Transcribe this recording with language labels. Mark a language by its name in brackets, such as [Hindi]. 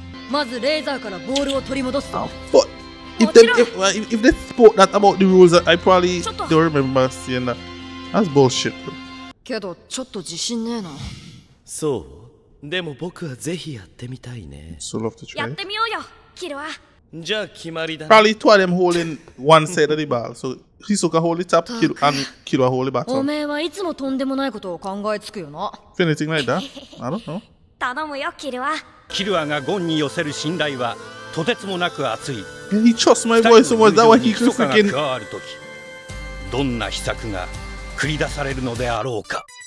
[Japanese] まずレーザーからボールを取り戻すと。 [English] But if they if they spoke that about the rules, I probably don't remember seeing that. That's bullshit. [Japanese] けどちょっと自信ねえな。そう。でも僕はぜひやってみたいね。 [English] So love to try. [Japanese] やってみようよ、キルア。じゃあ決まりだ。 [English] Probably two of them holding one side of the ball, so Hisoka hold the top, Kiru and Kirua hold the bottom. [Japanese] おめえはいつもとんでもないことを考えつくよな。 [English] Anything like that? I don't know. [Japanese] 頼むよ、キルア。キルアがゴンに寄せる信頼はとてつもなく厚い。 [English] He trusts my voice so much that he could freaking... [Japanese] どんな秘策が繰り出されるのであろうか。